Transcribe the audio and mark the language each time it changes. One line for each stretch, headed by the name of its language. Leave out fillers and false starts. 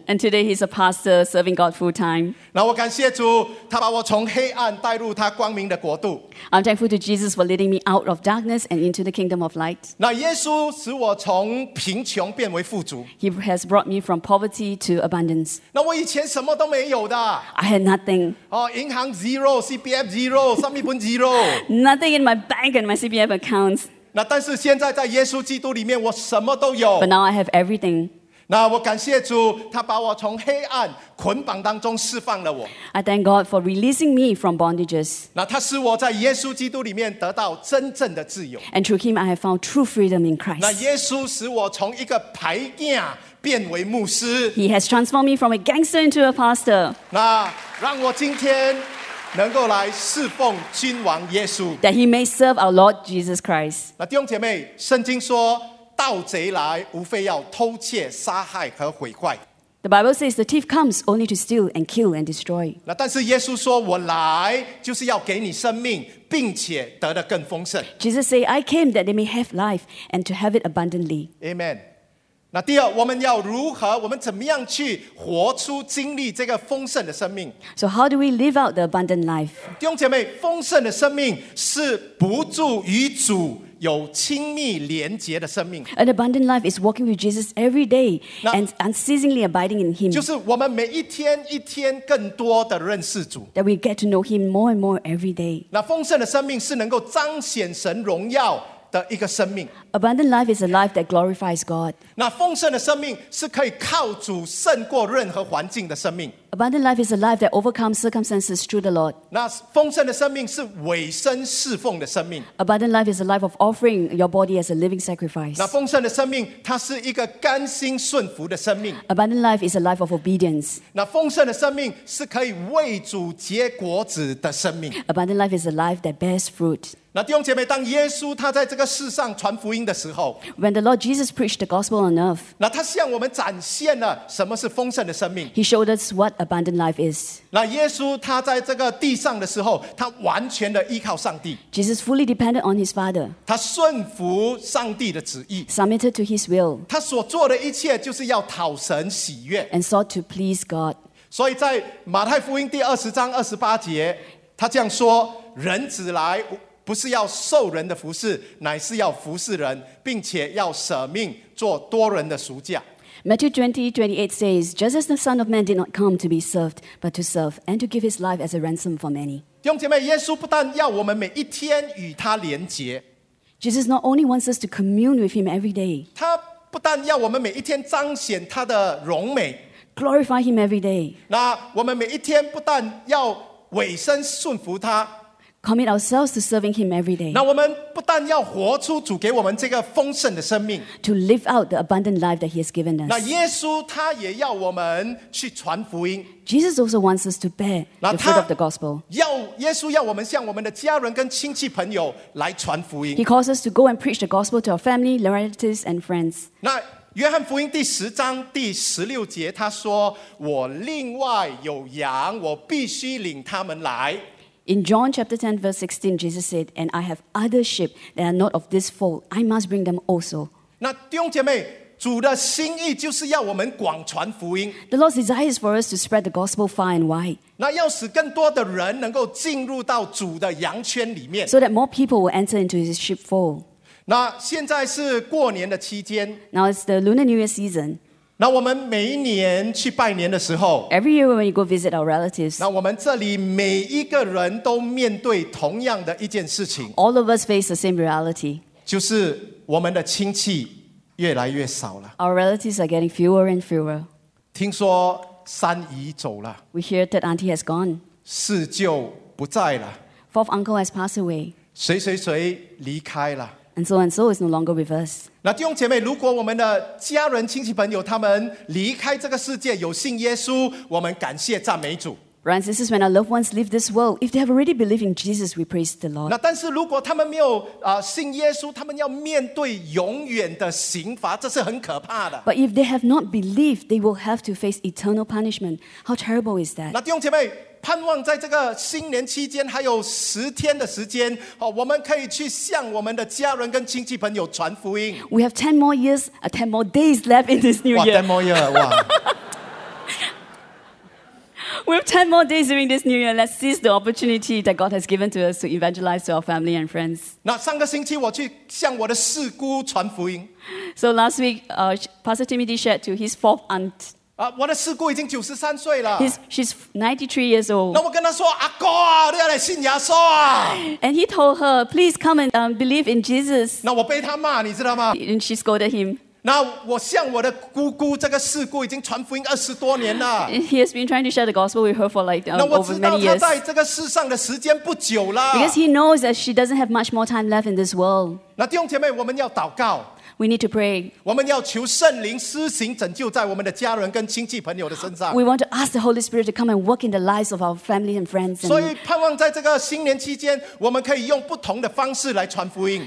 English: And today he's a pastor serving God full time.
Chinese: 那我感谢主，他把我从黑暗带入他光明的国度。
English: I'm thankful to Jesus for leading me out of darkness and into the kingdom of light.
Chinese: 那耶稣使我从贫穷变为富足。
English: He has brought me from poverty to abundance.
Chinese: 那我以前什么都没有的。
English: I had nothing.
Chinese: 银行 zero, CPF zero, 上面本 zero.
English: Nothing in my bank and my CPF accounts.
Chinese: 那但是现在在耶稣基督里面，我什么都有。
English: But now I have everything.
Chinese: 那我感谢主，他把我从黑暗捆绑当中释放了我。
English: I thank God for releasing me from bondages.
Chinese: 那他使我在耶稣基督里面得到真正的自由。
English: And through Him, I have found true freedom in Christ.
Chinese: 那耶稣使我从一个排囝变为牧师。
English: He has transformed me from a gangster into a pastor.
Chinese: 那让我今天能够来侍奉君王耶稣。
English: That He may serve our Lord Jesus Christ.
Chinese: 那弟兄姐妹，圣经说。盗贼来，无非要偷窃、杀害和毁坏。
English: The Bible says the thief comes only to steal and kill and destroy.
Chinese: 那但是耶稣说，我来就是要给你生命，并且得的更丰盛。
English: Jesus said, I came that they may have life and to have it abundantly.
Chinese: Amen. 那第二，我们要如何？我们怎么样去活出、经历这个丰盛的生命
English: ？So how do we live out the abundant life?
Chinese: 弟兄姐妹，丰盛的生命是不住于主。有亲密连结的生命。
English: An abundant life is walking with Jesus every day and unceasingly abiding in Him.
Chinese: 就是我们每一天一天更多的认识主。
English: That we get to know Him more and more every day.
Chinese: 那丰盛的生命是能够彰显神荣耀的一个生命。
English: Abundant life is a life that glorifies God.
Chinese: 那丰盛的生命是可以靠主胜过任何环境的生命。
English: Abundant life is a life that overcomes circumstances through the Lord.
Chinese: 那丰盛的生命是委身侍奉的生命。
English: Abundant life is a life of offering your body as a living sacrifice.
Chinese: 那丰盛的生命它是一个甘心顺服的生命。
English: Abundant life is a life of obedience.
Chinese: 那丰盛的生命是可以为主结果子的生命。
English: Abundant life is a life that bears fruit.
Chinese: 那弟兄姐妹，当耶稣他在这个世上传福音的时候，
English: When the Lord Jesus preached the gospel on earth,
Chinese: 那他向我们展现了什么是丰盛的生命。
English: He showed us what abundant life is.
Chinese: 那耶稣他在这个地上的时候，他完全的依靠上帝。
English: Jesus fully depended on his Father.
Chinese: 他顺服上帝的旨意。
English: Submitted to his will.
Chinese: 他所做的一切就是要讨神喜悦。
English: And sought to please God.
Chinese: 所以在马太福音第二十章二十八节，他这样说：人子来。不是要受人的服侍，乃是要服侍人，并且要舍命做多人的赎价。
English: Matthew 20:28 says, "Just as the Son of Man did not come to be served, but to serve, and to give His life as a ransom for many."
Chinese: 弟兄姐妹，耶稣不但要我们每一天与他连结
English: ，Jesus not only wants us to commune with Him every day.
Chinese: 他不但要我们每一天彰显他的荣美
English: ，glorify Him every day.
Chinese: 那我们每一天不但要委身顺服他。
English: Commit ourselves to serving Him every day.
Chinese: 那我们不但要活出主给我们这个丰盛的生命
English: ，to live out the abundant life that He has given us.
Chinese: 那耶稣他也要我们去传福音。
English: Jesus also wants us to bear the fruit of the gospel.
Chinese: 要耶稣要我们向我们的家人跟亲戚朋友来传福音。
English: He calls us to go and preach the gospel to our family, relatives, and friends.
Chinese: 那约翰福音第十章第十六节，他说：“我另外有羊，我必须领他们来。”
English: In John chapter 10, verse 16, Jesus said, "And I have other sheep that are not of this fold. I must bring them also."
Chinese: 那弟兄姐妹，主的心意就是要我们广传福音。
English: The Lord's desire is for us to spread the gospel far and wide.
Chinese: 那要使更多的人能够进入到主的羊圈里面。
English: So that more people will enter into His sheepfold.
Chinese: 那现在是过年的期间。
English: Now it's the Lunar New Year season.
Chinese: 那我们每一年去拜年的时候
English: ，Every year when you go visit our relatives，
Chinese: 那我们这里每一个人都面对同样的一件事情
English: ，All of us face the same reality，
Chinese: 就是我们的亲戚越来越少了
English: ，Our relatives are getting fewer and fewer。
Chinese: 听说三姨走了
English: ，We hear that auntie has gone，
Chinese: 四舅不在了
English: ，Fourth uncle has passed away，
Chinese: 谁谁谁离开了。
English: And so is no longer with us.
Chinese: 那弟兄姐妹，如果我们的家人、亲戚、朋友他们离开这个世界，有信耶稣，我们感谢赞美主。
English: Brothers, this is when our loved ones leave this world. If they have already believed in Jesus, we praise the Lord.
Chinese: 那但是如果他们没有信耶稣，他们要面对永远的刑罚，这是很可怕的。
English: But if they have not believed, they will have to face eternal punishment. How terrible is that?
Chinese: 那弟兄姐妹。盼望在这个新年期间还有十天的时间，我们可以去向我们的家人跟亲戚朋友传福音。
English: We have 10 more years, 10 more days left in this new year. 哇 ，10 more years, 哇。 We have 10 more days during this new year. Let's seize the opportunity that God has given to us to evangelize to our family and friends.
Chinese: 那上个星期我去向我的四姑传福音。
English: So last week, Pastor Timothy shared to his fourth aunt.
Chinese: 我的四姑已经93岁了。
English: She's 93 years old.
Chinese: 那我跟她说，阿哥啊，你要来信耶稣啊。
English: And he told her, please come and believe in Jesus.
Chinese: 那我被他骂，你知道吗？
English: And she scolded him.
Chinese: 那我向我的姑姑这个四姑已经传福音二十多年了。
English: He has been trying to share the gospel with her for like over many years.
Chinese: 那我知道她在这个世上的时间不久了。
English: Because he knows that she doesn't have much more time left in this world.
Chinese: 那弟兄姐妹，我们要祷告。
English: We need to pray.
Chinese: 我们要求圣灵施行拯救在我们的家人跟亲戚朋友的身上。
English: We want to ask the Holy Spirit to come and work in the lives of our family and friends.
Chinese: 所以盼望在这个新年期间，我们可以用不同的方式来传福音。